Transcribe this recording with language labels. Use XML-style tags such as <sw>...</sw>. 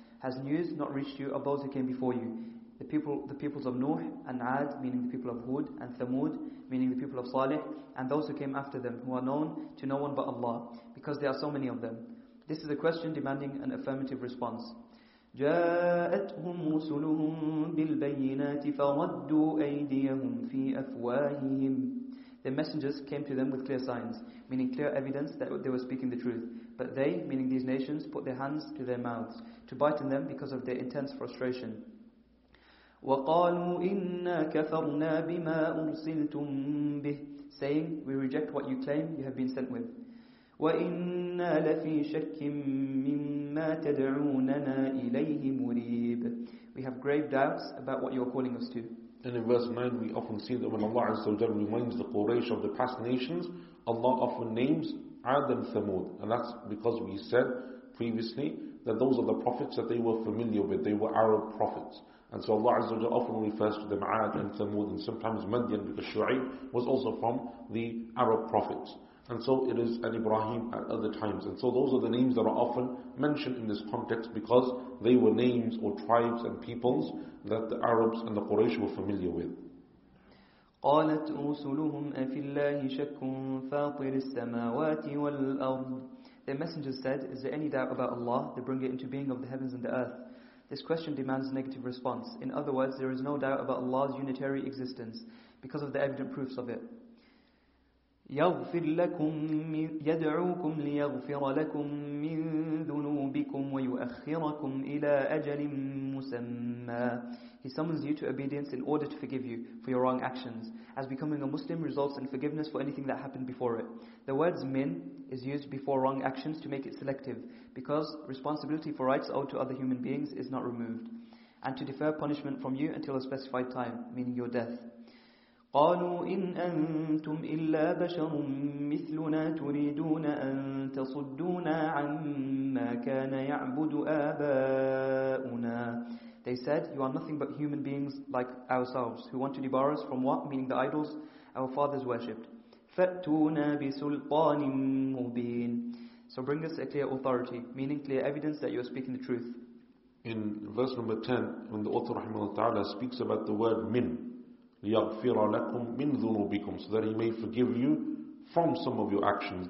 <en>Has news not reached you of those who came before you? The peoples of Nuh and Ad, meaning the people of Hud, and Thamud, meaning the people of Salih, and those who came after them, who are known to no one but Allah, because there are so many of them. This is a question demanding an affirmative response.</en> <ar>جاءتهم رسلهم بالبينات فردوا أيديهم في أفواههم.</ar> <en>Their messengers came to them with clear signs, meaning clear evidence that they were speaking the truth. But they, meaning these nations, put their hands to their mouths to bite in them because of their intense frustration.</en> <ar>وَقَالُوا إِنَّا كَفَرْنَا بِمَا أُرْسِلْتُمْ بِهِ.</ar> <en>Saying, we reject what you claim you have been sent with.</en> <ar>وَإِنَّا لَفِي شَكٍ مِّمَّا تَدْعُونَنَا إِلَيْهِ مُرِيبٍ.</ar> <en>We have grave doubts about what you are calling us to. And in verse 9 we often see that when Allah Azza wa Jal reminds the Quraysh of the past nations, Allah often names Ad and Thamud. And that's because we said previously that those are the prophets that they were familiar with. They were Arab prophets. And so Allah Azza wa Jalla often refers to them Ad and Thamud, and sometimes Madian, because Shu'aib was also from the Arab prophets. And so it is an Ibrahim at other times. And so those are the names that are often mentioned in this context, because they were names or tribes and peoples that the Arabs and the Quraysh were familiar with.</en> <ar>قالت رسلهم أفي الله شك فاطر السماوات والأرض.</ar> <en>The messengers said, is there any doubt about Allah, the bringer into being of the heavens and the earth? This question demands a negative response. In other words, there is no doubt about Allah's unitary existence because of the evident proofs of it.</en> <ar>يغفر لكم يدعوكم ليغفر لكم من ذنوبكم ويؤخركم إلى أجل مسمى.</ar> <en>He summons you to obedience in order to forgive you for your wrong actions, as becoming a Muslim results in forgiveness for anything that happened before it. The words min is used before wrong actions to make it selective, because responsibility for rights owed to other human beings is not removed, and to defer punishment from you until a specified time, meaning your death.</en> <ar>قالوا إن أنتم إلا بشر مثلنا تريدون أن تصدونا عما كان يعبد آباؤنا.</ar> <en>They said, you are nothing but human beings like ourselves who want to debar us from what? Meaning the idols our fathers worshipped.</en> <ar>فأتونا بسلطان مبين.</ar> <en>So bring us a clear authority, meaning clear evidence that you are speaking the truth. In verse number 10, when the author</en> <ar>رحمه الله تعالى</ar> <en>speaks about the word min,</en> <ar>ليغفر لكم من ذنوبكم,</ar> <en>so that he may forgive you from some of your actions.</en>